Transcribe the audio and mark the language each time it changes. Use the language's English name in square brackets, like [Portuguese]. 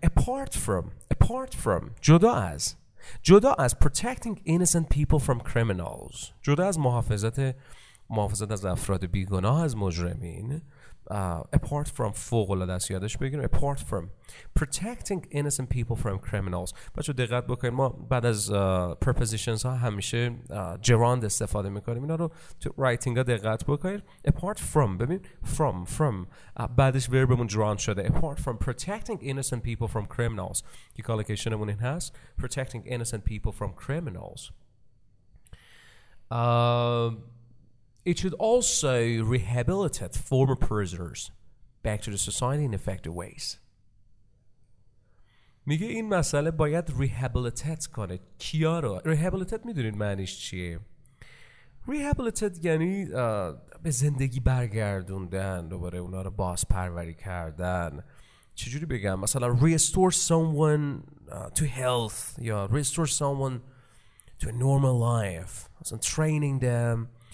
[English] Apart from. [Persian] جدا از [English] protecting innocent people from criminals، [Persian] جدا از محافظت از افراد بیگناه از مجرمین، [English] apart from [Persian] فوق العاده است یادش بگیرم، [English] apart from protecting innocent people from criminals. [Persian] بچه دقت بکنید، ما بعد از prepositions ها همیشه gerund استفاده میکنیم. اینا رو تو writing ها دقت بکنید. [English] apart from، [Persian] ببین from بعدش verbمون gerund شده. [English] apart from protecting innocent people from criminals، که collocationمون [Persian] این هست [English] protecting innocent people from criminals. It should also rehabilitate former prisoners back to the society in effective ways. [Persian] میگه این مسئله باید ریهابلیتیت کنه. کیا رو؟ ریهابلیتیت میدونید معنیش چیه؟ ریهابلیتیت یعنی به زندگی برگردوندن، دوباره اونا رو بازپروری کردن. چجوری بگم؟ مثلا [English] restore someone to health یا restore someone to a normal life. مثلا training them